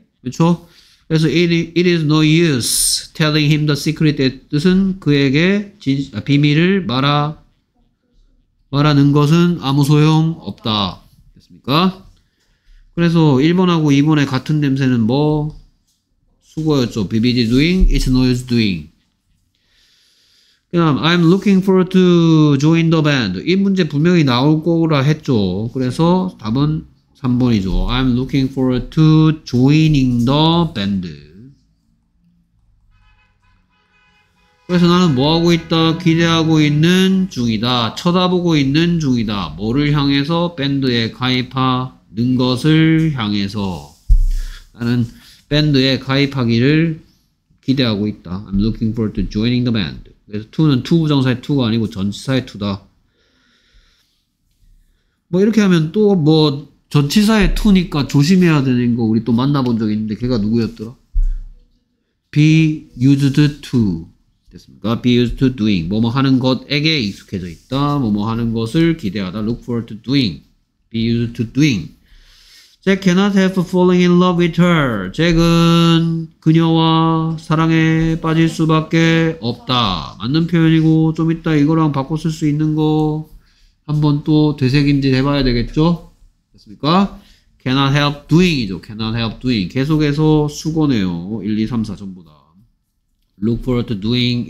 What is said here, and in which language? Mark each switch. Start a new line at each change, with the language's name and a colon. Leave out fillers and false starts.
Korean: 그렇죠? 그래서
English: it is no use telling him the secret
Korean: 의 뜻은 그에게 비밀을 말하는 것은 아무 소용 없다. 됐습니까? 그래서 1번하고 2번의 같은 냄새는 뭐? 수고였죠.
English: Be busy doing, it's no use doing. 그 다음 I'm looking forward to join the band.
Korean: 이 문제 분명히 나올 거라 했죠. 그래서 답은 3번이죠.
English: I'm looking forward to joining the band.
Korean: 그래서 나는 뭐하고 있다? 기대하고 있는 중이다. 쳐다보고 있는 중이다. 뭐를 향해서? 밴드에 가입하는 것을 향해서. 나는 밴드에 가입하기를 기대하고 있다.
English: I'm looking forward to joining the band.
Korean: 그래서 2는 2 부정사의 2가 아니고 전치사의 2다. 뭐 이렇게 하면 또 뭐 전치사의 2니까 조심해야 되는 거 우리 또 만나본 적 있는데 걔가 누구였더라?
English: Be used to
Korean: 됐습니까?
English: Be used to doing 뭐뭐 하는 것에게 익숙해져 있다.
Korean: 뭐뭐 하는 것을 기대하다.
English: Look forward to doing. Be used to doing. Jack cannot help falling in love with her.
Korean: 잭은 그녀와 사랑에 빠질 수밖에 없다. 맞는 표현이고 좀 이따 이거랑 바꿔 쓸 수 있는 거 한번 또 되새김질 해봐야 되겠죠? 됐습니까?
English: Cannot help doing이죠. Cannot help doing.
Korean: 계속해서 수고네요. 1, 2, 3, 4 전부 다.
English: Look forward to doing.